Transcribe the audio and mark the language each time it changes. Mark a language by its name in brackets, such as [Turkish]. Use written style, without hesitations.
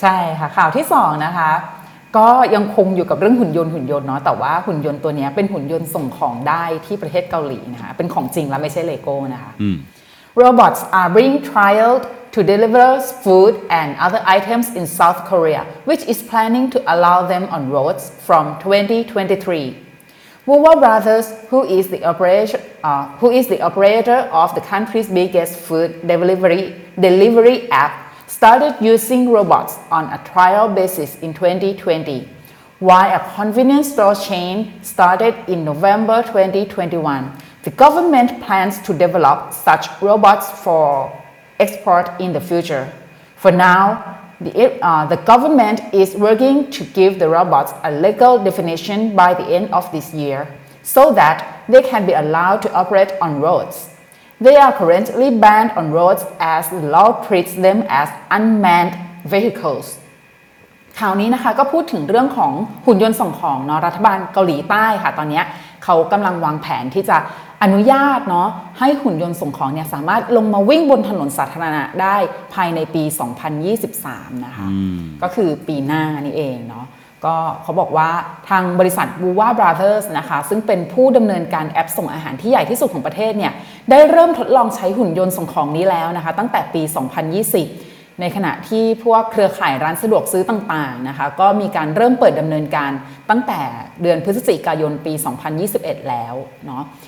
[Thai] ใช่ค่ะข่าวที่2นะคะก็ยังคงอยู่กับเรื่องหุ่นยนต์เนาะแต่ว่าหุ่นยนต์ตัวนี้เป็นหุ่นยนต์ส่งของได้ที่ประเทศเกาหลีนะคะเป็นของจริงแล้วไม่ใช่เลโก้นะคะ [English] Robots are being trialedto deliver food and other items in South Korea, which is planning to allow them on roads from 2023. Woowa Brothers, who is the operator of the country's biggest food delivery app, started using robots on a trial basis in 2020, while a convenience store chain started in November 2021. The government plans to develop such robots forexport in the future. For now, the government is working to give the robots a legal definition by the end of this year, so that they can be allowed to operate on roads. They are currently banned on roads as the law treats them as unmanned vehicles. [Thai] คราวนี้นะคะก็พูดถึงเรื่องของหุ่นยนต์ส่งของเนาะรัฐบาลเกาหลีใต้ค่ะตอนนี้เขากำลังวางแผนที่จะอนุญาตเนาะให้หุ่นยนต์ส่งของเนี่ยสามารถลงมาวิ่งบนถนนสาธารณะได้ภายในปี 2023นะคะก็คือปีหน้านี่เองเนาะก็เขาบอกว่าทางบริษัท Wuwa Brothers นะคะซึ่งเป็นผู้ดำเนินการแอปส่งอาหารที่ใหญ่ที่สุดของประเทศเนี่ยได้เริ่มทดลองใช้หุ่นยนต์ส่งของนี้แล้วนะคะตั้งแต่ปี2020ในขณะที่พวกเครือข่ายร้านสะดวกซื้อต่างๆนะคะก็มีการเริ่มเปิดดำเนินการตั้งแต่เดือนพฤศจิกายนปี2021แล้วเนาะ